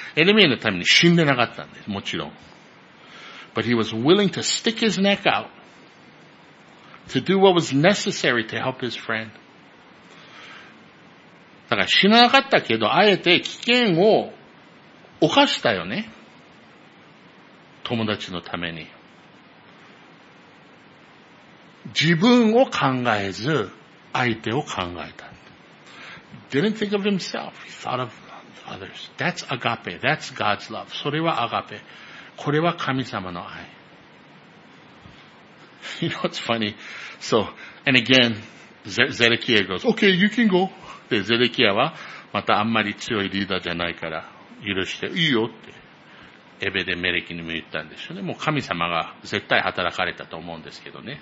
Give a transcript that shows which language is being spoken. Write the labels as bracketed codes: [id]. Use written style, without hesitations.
[ja] エレミアのために死んでなかったんです、もちろん。 [en] But he was willing to stick his neck out. To do what was necessary to help his friend. [ja] だから死ななかったけど、あえて危険を犯したよね。友達のために。自分を考えず、相手を考えた。 [en] Didn't think of himself. He thought of others. That's agape. That's God's love. [ja] それはアガペ。これは神様の愛。 [en] You know, it's funny. So, and again, Zedekiah goes, okay, you can go. [ja] で、ゼレキアは、またあんまり強いリーダーじゃないから、許していいよって、エベデメレキにも言ったんですよね。もう神様が絶対働かれたと思うんですけどね。